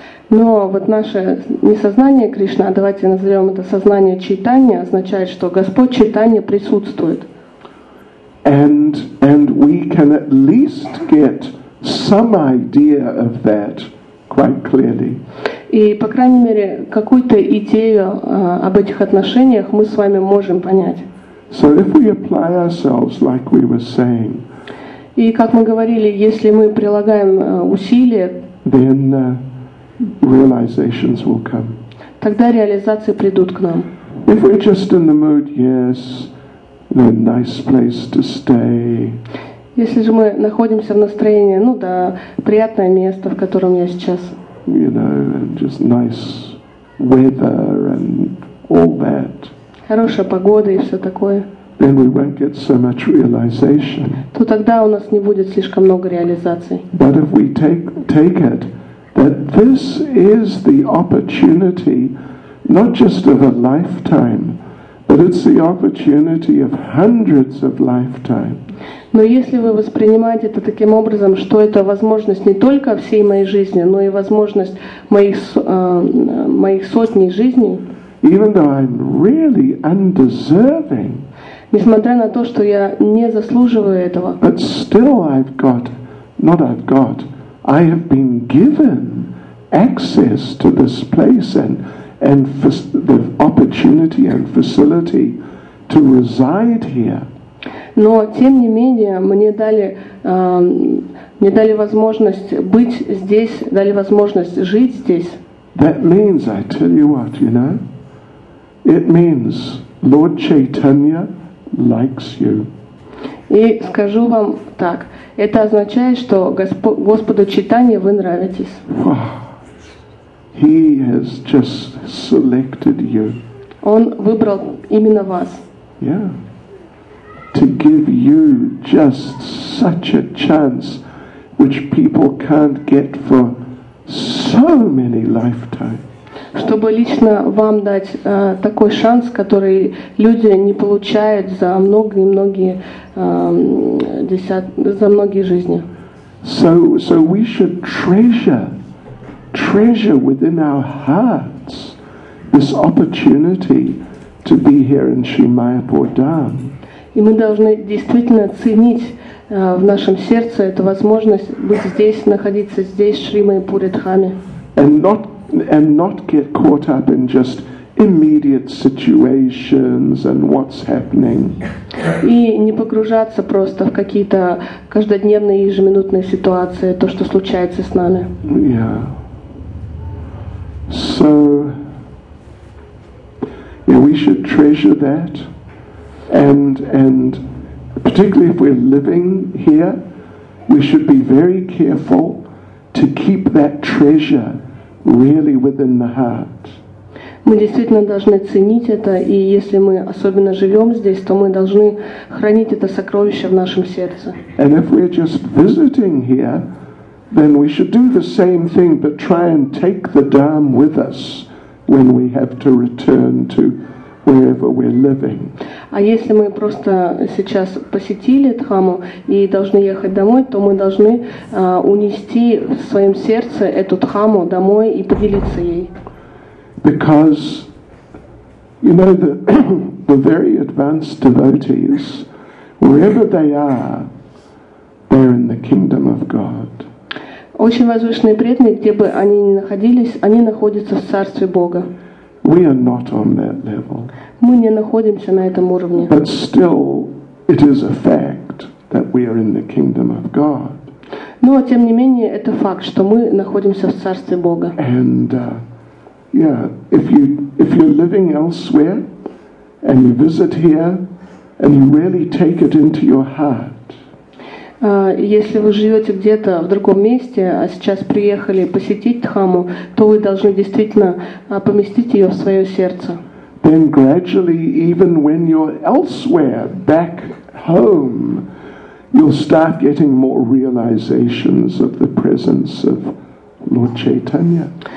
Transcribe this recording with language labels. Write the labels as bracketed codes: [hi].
[ru] Но вот наше не сознание Кришны, а давайте назовем это сознание Чайтанья, означает, что Господь Чайтанья присутствует. [en] And we can at least get some idea of that quite clearly. [ru] И, по крайней мере, какую-то идею об этих отношениях мы с вами можем понять. [en] So if we apply ourselves, like we were saying, [ru] и, как мы говорили, если мы прилагаем усилия, [en] then, realizations will come. [ru] Тогда реализации придут к нам. [en] If we're just in the mood, yes, a nice place to stay. [ru] Если же мы находимся в настроении, ну да, приятное место, в котором я сейчас. [en] You know, and just nice weather and all that. [ru] Хорошая погода и все такое. [en] Then we won't get so much realization. [ru] То тогда у нас не будет слишком много реализаций. [en] But if we take it. That this is the opportunity, not just of a lifetime, but it's the opportunity of hundreds of lifetimes. [ru] Но если вы воспринимаете это таким образом, что это возможность не только всей моей жизни, но и возможность моих сотней жизней. [en] Even though I'm really undeserving. [ru] Несмотря на то, что я не заслуживаю этого. [en] But still, I've got, not I've got. I have been given access to this place and the opportunity and facility to reside here. [ru] Но тем не менее мне дали возможность быть здесь, дали возможность жить здесь. [en] That means, I tell you what, you know, it means Lord Chaitanya likes you. [ru] И скажу вам так. Это означает, что Господу Чайтанье вы нравитесь. [en] Wow. He has just selected you. [ru] Он выбрал именно вас. [en] Yeah. To give you just such a chance which people can't get for so many lifetimes. [ru] Чтобы лично вам дать такой шанс, который люди не получают за многие-многие за многие жизни. [en] So we should treasure within our hearts this opportunity to be here in Shrimayapur Dham. [ru] И мы должны действительно ценить в нашем сердце эту возможность быть здесь, находиться здесь, в Шримайпуре Дхаме. [en] And not get caught up in just immediate situations and what's happening. [ru] И не погружаться просто в какие-то каждодневные ежеминутные ситуации, то, что случается с нами. [en] Yeah. So, yeah, we should treasure that, and particularly if we're living here, we should be very careful to keep that treasure really within the heart. [ru] Мы действительно должны ценить это, и если мы особенно живем здесь, то мы должны хранить это сокровище в нашем сердце. [en] And if we're just visiting here, then we should do the same thing, but try and take the Dham with us when we have to return to wherever we're living. [ru] А если мы просто сейчас посетили Дхаму и должны ехать домой, то мы должны унести в своем сердце эту Дхаму домой и поделиться ей. [en] Because, you know, the very advanced devotees, wherever they are, they're in the kingdom of God. [ru] Очень возвышенные преданные, где бы они ни находились, они находятся в царстве Бога. [en] We are not on that level. [ru] Мы не находимся на этом уровне. [en] But still, it is a fact that we are in the kingdom of God. [ru] Но тем не менее это факт, что мы находимся в царстве Бога. [en] And yeah, if you're living elsewhere and you visit here and you really take it into your heart. [ru] Если вы живете где-то в другом месте, а сейчас приехали посетить Дхаму, то вы должны действительно поместить ее в свое сердце. [en] Then gradually, even when you're elsewhere, back home, you'll start getting more realizations of the presence of Lord Chaitanya.